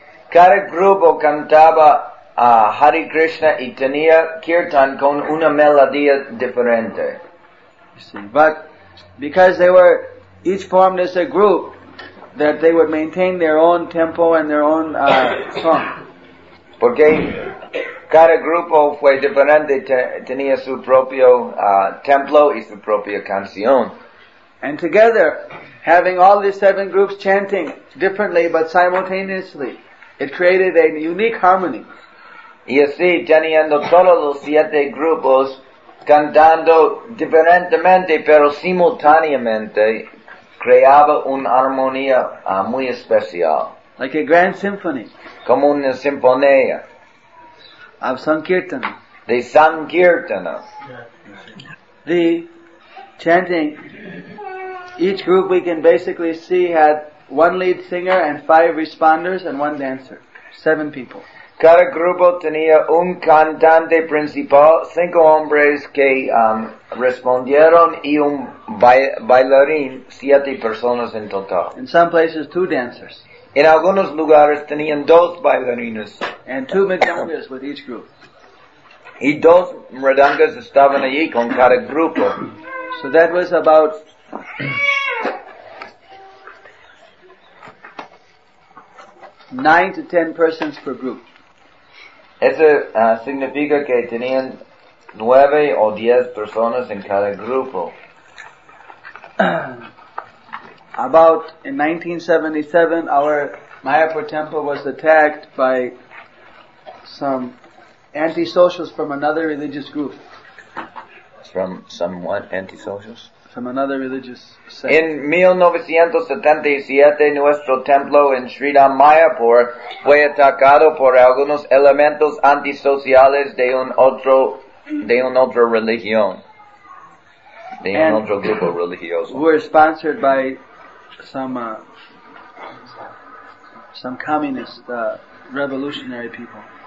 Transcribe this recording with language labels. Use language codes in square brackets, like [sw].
[es] Cada grupo cantaba Hare Krishna y tenía Kirtan con una melodía diferente. [en] But because they were each formed as a group, that they would maintain their own tempo and their own song. [es] Porque cada grupo fue diferente, tenía su propio templo y su propia canción. [en] And together, having all these seven groups chanting differently but simultaneously, it created a unique harmony. [es] Y así, teniendo todos los siete grupos cantando diferentemente pero simultáneamente, creaba una armonía muy especial. [en] Like a grand symphony. [es] Como una sinfonía. [en] Of Sankirtana. [es] De Sankirtana. [en] The chanting, each group we can basically see had one lead singer and five responders and one dancer. Seven people. [es] Cada grupo tenía un cantante principal, cinco hombres que respondieron y un bailarín, siete personas en total. [en] In some places, two dancers. [es] En algunos lugares tenían dos bailarinas. [en] And two mridangas with each group. [es] Y dos mridangas estaban allí con cada grupo. [en] So that was about 9 to 10 persons per group. [es] Eso significa que tenían 9 o 10 personas en cada grupo. [en] About in 1977, our Mayapur temple was attacked by some antisocials from another religious group. From some what? Antisocials? From another religious sect. In [es] 1977, nuestro templo en Sridhar Mayapur fue atacado por algunos elementos antisociales de un otro religión. De un otro grupo religioso. [en] We were sponsored by some communist revolutionary people.